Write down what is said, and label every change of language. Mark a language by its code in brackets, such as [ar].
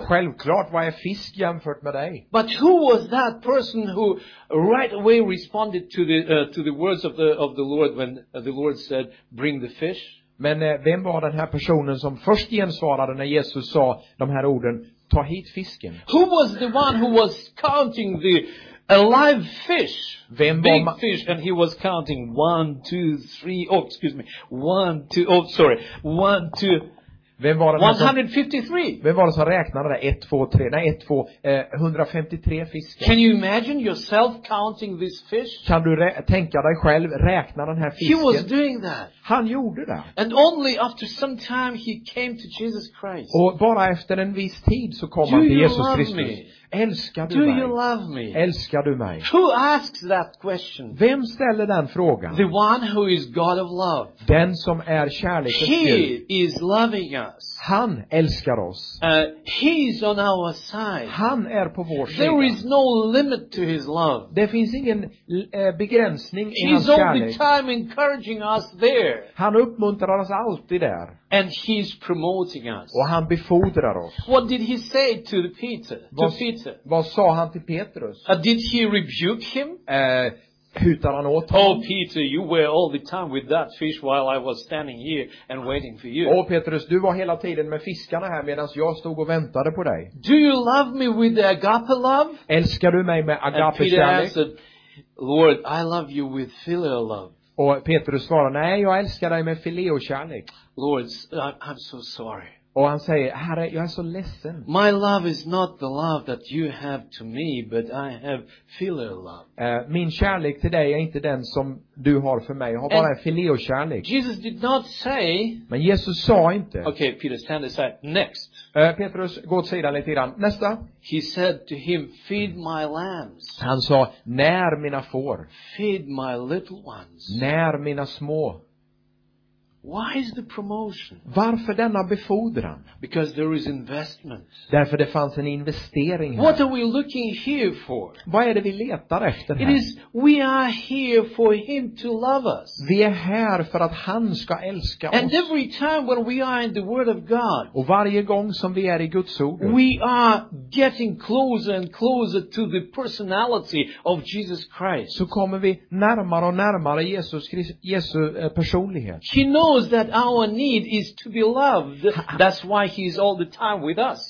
[sv] Självklart, vad är fisk jämfört med dig? [en] But who was that person who right away responded to the words of the Lord when the Lord said, bring the fish? [sv] Men vem var den här personen som först gensvarade när Jesus sa de här orden? Ta hit fisken. [en] Who was the one who was counting the alive fish? [sv] Vem [en] big fish, and he was counting 1, 2, 3. Oh, excuse me. 1, 2. Oh, sorry. 1, 2. [sv] Vem var det? [en] 153. [sv] Vem var det som räknade där? 1, 2, 3. Nej, 1, 2. 153 fiskar. [en] Can you imagine yourself counting this fish? [sv] Kan du tänka dig själv räkna den här fisken? [en] He was doing that. [sv] Han gjorde det. [en] And only after some time he came to Jesus Christ. [sv] Och bara efter en viss tid så kom [en] do [sv] han till Jesus Kristus. [en] Me? [sv] Älskar du [en] do [sv] mig? [en] You love me? [sv] Älskar du mig? [en] Who asks that question? [sv] Vem ställer den frågan? [en] The one who is God of love. [sv] Den som är kärlek. [en] He is loving us. [sv] Han älskar oss. [en] He is on our side. [sv] Han är på vår sida. [en] There is no limit to his love. [sv] Det finns ingen begränsning i [en] he's [sv] hans kärlek. [en] He's all the time encouraging us there. [sv] Han uppmuntrar oss alltid där. [en] And he's promoting us. [sv] Och han befordrar oss. [en] What did he say to the Peter? To Peter. [sv] Vad sa han till Petrus? [en] Did he rebuke him? [sv] Hutar han åt honom? [en] Oh Peter, you were all the time with that fish while I was standing here and waiting for you. [sv] Oh Petrus, du var hela tiden med fiskarna här medan jag stod och väntade på dig. [en] Do you love me with the agape love? [sv] Älskar du mig med agape kärlek? [en] And Peter answered, Lord, I love you with filial love. [sv] Och Petrus svarar, nej, jag älskar dig med filial kärlek. [en] Lord, I'm so sorry. [sv] Och han säger, Herre, jag är så ledsen. [en] My love is not the love that you have to me, but I have filial love. [sv] Min kärlek till dig är inte den som du har för mig. Jag har bara filial kärlek. [en] Jesus did not say. [sv] Men Jesus sa inte. [en] Okay, Peter, stand aside. Next. [sv] Petrus, gå åt sidan lite grann. Nästa. [en] He said to him, feed my lambs. [sv] Han sa, när mina får. [en] Feed my little ones. [sv] När mina små. [en] Why is the promotion? [sv] Varför denna befordran? [en] Because there is investment. [sv] Därför det fanns en investering här. [en] What are we looking here for? [sv] Vad är det vi letar efter här? [en] It is we are here for him to love us. [sv] Vi är här för att han ska älska oss. [en] And every time when we are in the word of God. [sv] Och varje gång som vi är i Guds ord. [en] We are getting closer and closer to the personality of Jesus Christ. [sv] Så kommer vi närmare och närmare Jesus Jesu personlighet. [en] He knows that our need is to be loved. That's why he's all the time with us.